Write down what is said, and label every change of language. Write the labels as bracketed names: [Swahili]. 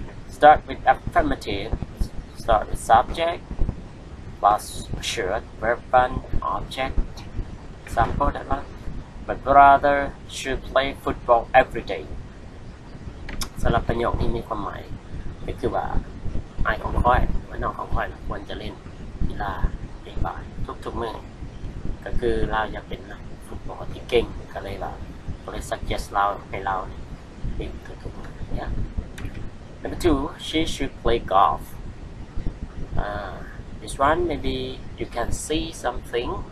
[English] Start with affirmative. Start with subject, plus should, verb 1, object, example, that one. My brother should play football every day. [Thai] สำหรับประโยคนี้มีความหมายก็คือว่าไอของค่อยว่าน้องของค่อยควรจะเล่นกีฬาบ่อยๆทุกๆมื้อก็คือเราอยากเป็นนักฟุตบอลที่เก่งก็เลยว่าก็เลย suggest เราให้เราเล่นทุกๆมื้อ yeah. [English] Number 2, she should play golfThis one, maybe you can see something.